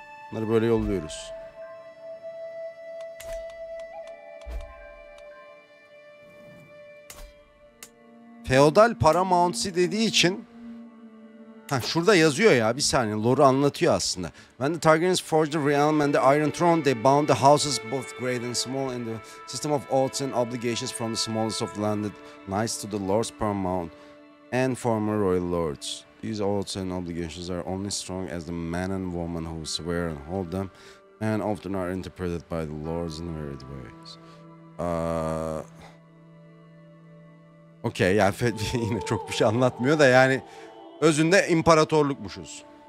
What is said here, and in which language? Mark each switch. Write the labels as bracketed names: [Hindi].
[Turkish] Bunları böyle yolluyoruz. Feodal Paramount'si dediği için... Ha şurada yazıyor ya bir saniye. Lore'u anlatıyor aslında. [English] When the Targaryens forged the realm and the Iron Throne, they bound the houses both great and small in the system of oaths and obligations from the smallest of landed knights to the lords paramount and former royal lords. These oaths and obligations are only strong as the man and woman who swear and hold them and often are interpreted by the lords in varied ways. [Turkish] Okay, ya yine çok bir şey anlatmıyor da yani özünde imparatorlukmuşuz.